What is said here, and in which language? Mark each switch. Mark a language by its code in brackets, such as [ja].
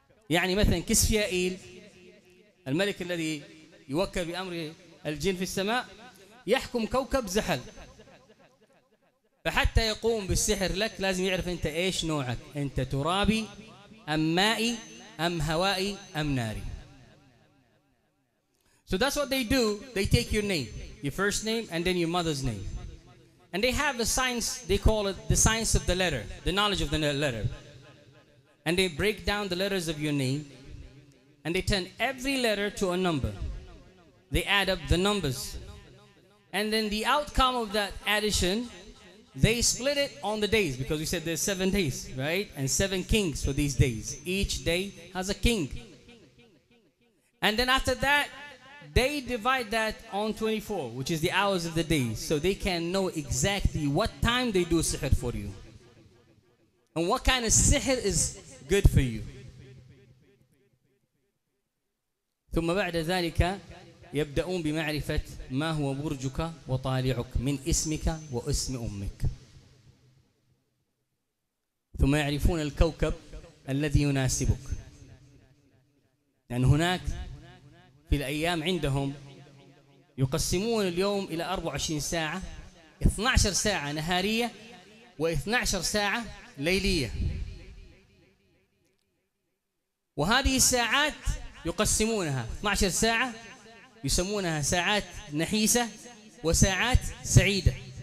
[ar] يعني مثلا كسفيائيل الملك الذي يوكل بأمر الجن في السماء يحكم كوكب زحل، فحتى يقوم بالسحر لك لازم يعرف أنت إيش نوعك، أنت ترابي أم مائي أم هوائي أم ناري. [en] So that's what they do. They take your name, your first name and then your mother's name. And they have a science, they call it the science of the letter, the knowledge of the letter. And they break down the letters of your name and they turn every letter to a number. They add up the numbers. And then the outcome of that addition, they split it on the days, because we said there's 7 days, right? And 7 kings for these days. Each day has a king. And then after that, they divide that on 24, which is the hours of the day, so they can know exactly what time they do sihr for you and what kind of sihr is good for you. [ar] ثم بعد ذلك يبدأون بمعرفة ما هو برجك وطالعك من اسمك واسم أمك، ثم يعرفون الكوكب الذي يناسبك، لأن هناك في الأيام عندهم يقسمون اليوم إلى 24 ساعة، 12 ساعة نهارية و12 ساعة ليلية، وهذه الساعات يقسمونها 12 ساعة يسمونها ساعات نحيسة وساعات سعيدة.